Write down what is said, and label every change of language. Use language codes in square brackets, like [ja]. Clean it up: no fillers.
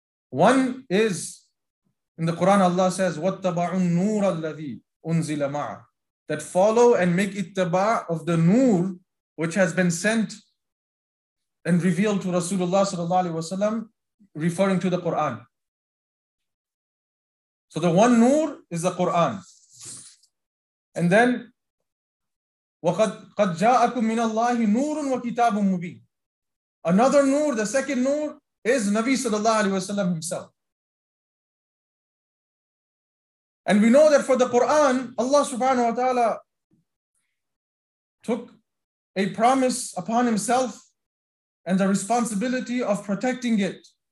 [en] One is, in the Quran Allah says, [ar] وَاتَّبَعُوا النُّورَ الَّذِي أُنزِلَ مَعَ, [en] that follow and make ittaba of the nur which has been sent and revealed to Rasulullah sallallahu alaihi wasallam, referring to the Quran. So the one nur is the Quran. And then [ar] وَقَدْ جَاءَكُمْ مِنَ اللَّهِ نُورٌ وَكِتَابٌ مُبِينٌ. [en] Another nur, the second nur, is Nabi sallallahu alaihi wasallam himself. And we know that for the Quran, Allah subhanahu wa ta'ala took a promise upon himself and the responsibility of protecting it.